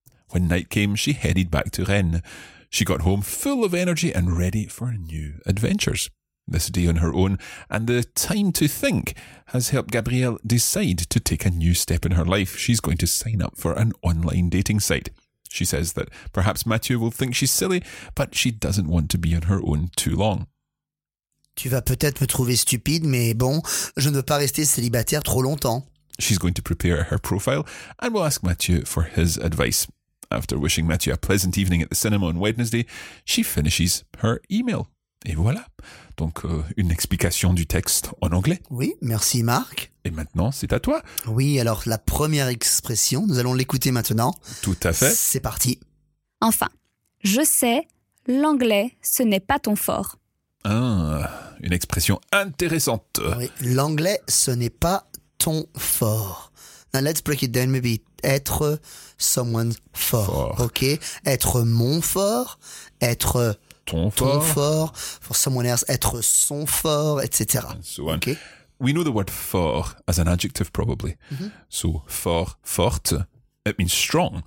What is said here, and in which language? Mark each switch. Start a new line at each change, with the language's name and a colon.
English: When night came, she headed back to Rennes. She got home full of energy and ready for new adventures. This day on her own and the time to think has helped Gabrielle decide to take a new step in her life. She's going to sign up for an online dating site. She says that perhaps Mathieu will think she's silly, but she doesn't want to be on her own too long.
French: Tu vas peut-être me trouver stupide, mais bon, je ne veux pas rester célibataire trop longtemps.
English: She's going to prepare her profile and will ask Mathieu for his advice. After wishing Mathieu a pleasant evening at the cinema on Wednesday, she finishes her email.
French: Et voilà, donc une explication du texte en anglais. Oui, merci Marc. Et maintenant, c'est à toi. Oui, alors la première expression, nous allons l'écouter maintenant. Tout à fait. C'est parti. Enfin, je sais, l'anglais, ce n'est pas ton fort. Ah, une expression intéressante. Oui, l'anglais, ce n'est pas ton fort.
English: Now let's break it down, maybe.
French: Être someone's fort. Ok. Être mon fort, être ton fort,
English: for someone else,
French: être son fort, etc.
English: So on. Okay. We know the word fort as an adjective, probably. Mm-hmm. So fort, forte, it means strong.